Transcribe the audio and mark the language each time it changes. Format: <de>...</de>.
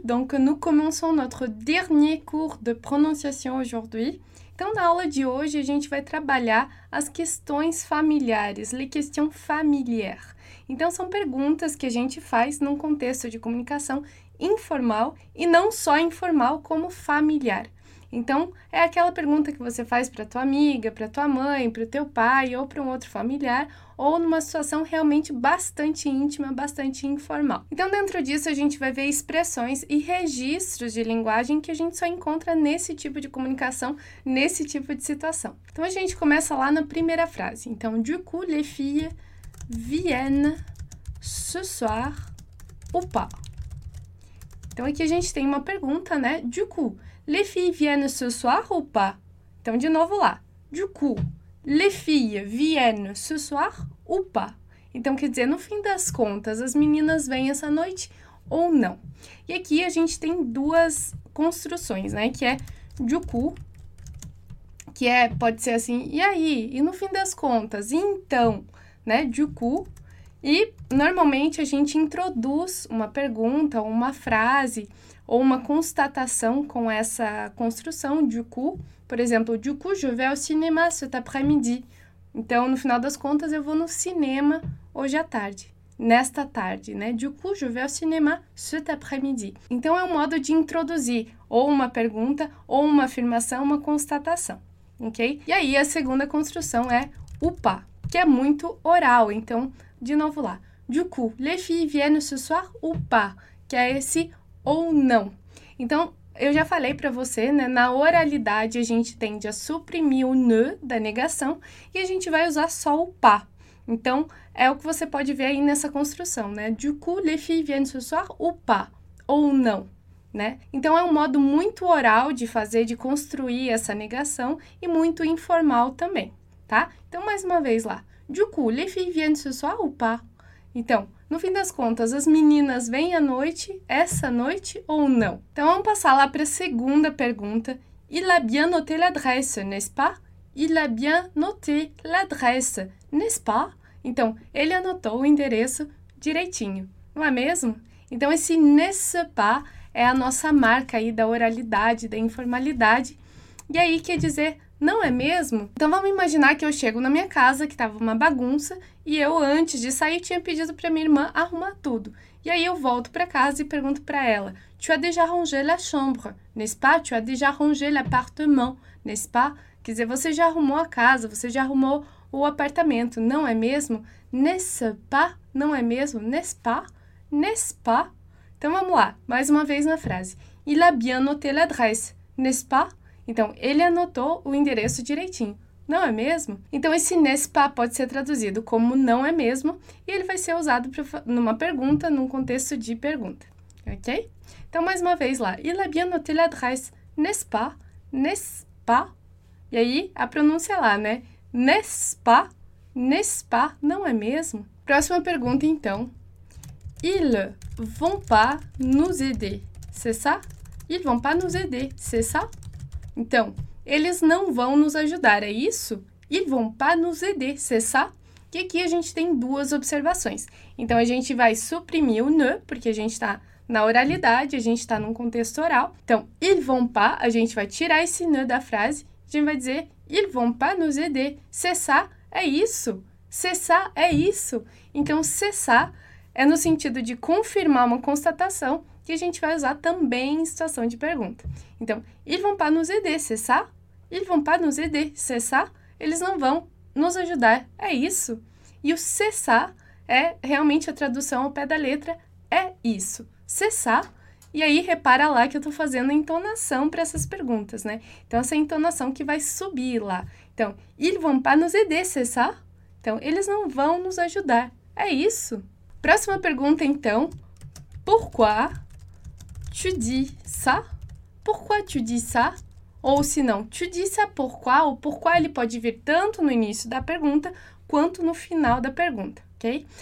<fr>Donc, nous commençons notre dernier cours de prononciation aujourd'hui.</fr> <pt>Então, na aula de hoje, a gente vai trabalhar as questões familiares,</pt> <fr>les questions familières.</fr> <pt>Então, são perguntas que a gente faz num contexto de comunicação informal e não só informal, como familiar. Então, é aquela pergunta que você faz para tua amiga, para tua mãe, para o teu pai ou para um outro familiar, ou numa situação realmente bastante íntima, bastante informal. Então, dentro disso, a gente vai ver expressões e registros de linguagem que a gente só encontra nesse tipo de comunicação, nesse tipo de situação. Então, a gente começa lá na primeira frase. Então,</pt> <fr>du coup, les filles viennent ce soir ou pas?</fr> <pt>Então, aqui a gente tem uma pergunta, né?</pt> <fr>Du coup, les filles viennent ce soir ou pas?</fr> <pt>Então, de novo lá.</pt> <fr>Du coup, les filles viennent ce soir ou pas?</fr> <pt>Então, quer dizer, no fim das contas, as meninas vêm essa noite ou não? E aqui a gente tem duas construções, né? Que é du coup, que é, pode ser assim, e aí? E no fim das contas, então, né? Du coup. E, normalmente, a gente introduz uma pergunta, uma frase ou uma constatação com essa construção, du coup. Por exemplo,</pt> <fr>du coup, je vais au cinéma cet après-midi.</fr> <pt>Então, no final das contas, eu vou no cinema hoje à tarde, nesta tarde, né?</pt> <fr>Du coup, je vais au cinéma cet après-midi.</fr> <pt>Então, é um modo de introduzir ou uma pergunta, ou uma afirmação, uma constatação, ok? E aí, a segunda construção é ou pas, que é muito oral, então, de novo lá.</pt> <fr>Du coup, les filles viennent ce soir ou pas?</fr> <pt>Que é esse ou não. Então, eu já falei para você, né? Na oralidade, a gente tende a suprimir o ne da negação e a gente vai usar só o pas. Então, é o que você pode ver aí nessa construção, né?</pt> <fr>Du coup, les filles viennent ce soir ou pas?</fr> <pt>Ou não, né? Então, é um modo muito oral de fazer, de construir essa negação e muito informal também, tá? Então, mais uma vez lá. Du coup, les filles viennent ce soir ou pas? Então, no fim das contas, as meninas vêm à noite, essa noite ou não? Então, vamos passar lá para a segunda pergunta.</pt> <fr>Il a bien noté l'adresse, n'est-ce pas? Il a bien noté l'adresse, n'est-ce pas?</fr> <pt>Então, ele anotou o endereço direitinho, não é mesmo? Então, esse n'est-ce pas é a nossa marca aí da oralidade, da informalidade. E aí, quer dizer, não é mesmo? Então, vamos imaginar que eu chego na minha casa, que estava uma bagunça, e eu, antes de sair, tinha pedido para minha irmã arrumar tudo. E aí, eu volto para casa e pergunto para ela,</pt> <fr>tu as déjà rangé la chambre, n'est-ce pas? Tu as déjà rangé l'appartement, n'est-ce pas?</fr> <pt>Quer dizer, você já arrumou a casa, você já arrumou o apartamento, não é mesmo?</pt> <fr>N'est-ce pas?</fr> <pt>Não é mesmo?</pt> <fr>N'est-ce pas? N'est-ce pas?</fr> <pt>Então, vamos lá, mais uma vez na frase.</pt> <fr>Il a bien noté l'adresse, n'est-ce pas?</fr> <pt>Então, ele anotou o endereço direitinho, não é mesmo? Então, esse n'est-ce pas pode ser traduzido como não é mesmo, e ele vai ser usado numa pergunta, num contexto de pergunta, ok? Então, mais uma vez lá,</pt> <fr>il a bien noté l'adresse, n'est-ce pas?</fr> <pt>N'est-ce pas? E aí, a pronúncia lá, né?</pt> <fr>N'est-ce pas? N'est-ce pas?</fr> <pt>Não é mesmo? Próxima pergunta, então.</pt> <fr>Ils vont pas nous aider, c'est ça? Ils vont pas nous aider, c'est ça?</fr> <pt>Então, eles não vão nos ajudar, é isso?</pt> <fr>Ils vont pas nous aider, c'est ça?</fr> <pt>E aqui a gente tem duas observações. Então, a gente vai suprimir o ne, porque a gente está na oralidade, a gente está num contexto oral. Então,</pt> <fr>ils vont pas, a gente vai tirar esse ne da frase, a gente vai dizer, ils vont pas nous aider, c'est ça?</fr> <pt>É isso? C'est ça? É isso? Então, c'est ça é no sentido de confirmar uma constatação, que a gente vai usar também em situação de pergunta.</pt> <fr>Então, ils vont pas nous aider, c'est ça? Ils vont pas nous aider, c'est ça?</fr> <pt>Eles não vão nos ajudar, é isso? E o c'est ça é realmente a tradução ao pé da letra, é isso.</pt> <fr>C'est ça?</fr> <pt>E aí, repara lá que eu estou fazendo a entonação para essas perguntas, né? Então, essa é a entonação que vai subir lá.</pt> <fr>Então, ils vont pas nous aider, c'est ça?</fr> <pt>Então, eles não vão nos ajudar, é isso? Próxima pergunta, então.</pt> <fr>Pourquoi tu dis ça? Pourquoi tu dis ça?</fr> <pt>Ou se não,</pt> <fr>tu dis ça pourquoi?</fr> <pt>O pourquoi ele pode vir tanto no início da pergunta quanto no final da pergunta, ok?</pt>